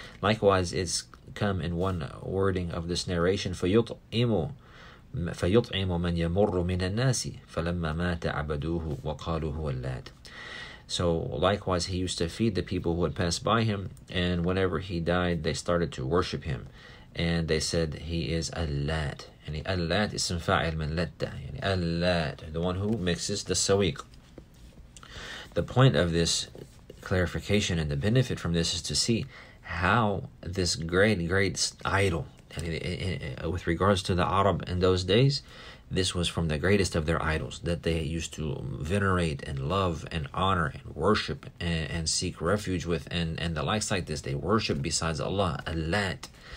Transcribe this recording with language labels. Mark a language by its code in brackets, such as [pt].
[en] Likewise, it's come in one wording of this narration, Fayut'imu. [ar] فَيُطْعِمُ مَنْ يَمُرُّ مِنَ النَّاسِ فَلَمَّا مَاتَ عَبَدُوهُ وَقَالُوا هُوَ اللَّاتِ. [en] So likewise, he used to feed the people who had passed by him, and whenever he died, they started to worship him, and they said he is اللات. [ar] يعني اللات اسم فاعل من لتة, يعني اللات, [en] the one who mixes the sawiq. The point of this clarification and the benefit from this is to see how this great idol, and with regards to the Arab in those days, this was from the greatest of their idols that they used to venerate and love and honor and worship and seek refuge with, and the likes like this. They worship besides Allah, Allat.